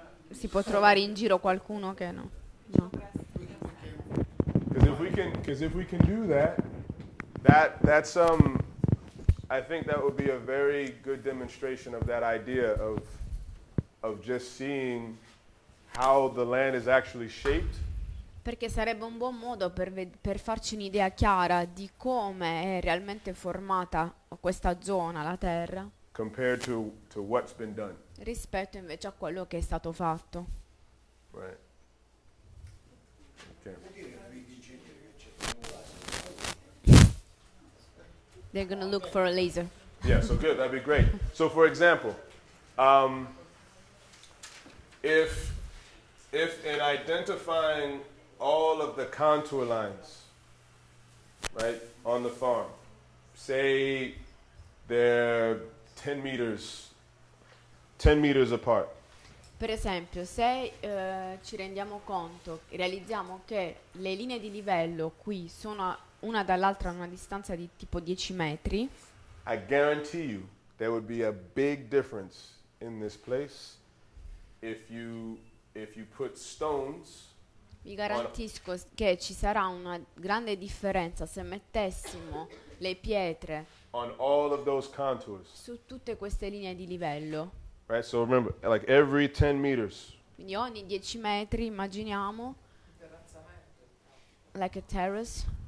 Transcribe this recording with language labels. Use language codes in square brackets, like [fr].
[it] Si può trovare in giro qualcuno che no. No. [en] Because if we can do that, that's I think that would be a very good demonstration of that idea of just seeing how the land is actually shaped. [it] Perché sarebbe un buon modo per farci un'idea chiara di come è realmente formata questa zona, la terra. [en] Compared to what's been done. [it] Rispetto invece a quello che è stato fatto. [en] Right. Okay. They're going to look for a laser. Yeah, so good. That'd be great. So for example, if in identifying all of the contour lines, right, on the farm, say they're 10 meters apart. [it] Per esempio, se ci rendiamo conto, realizziamo che le linee di livello qui sono una dall'altra a una distanza di tipo 10 metri. [en] I guarantee you there would be a big difference in this place if you put stones. [it] Vi garantisco che ci sarà una grande differenza se mettessimo le pietre [en] on all of those contours. [it] Su tutte queste linee di livello. [en] Right, so remember, like every 10 meters. [it] Quindi ogni 10 metri immaginiamo [en] like a terrace.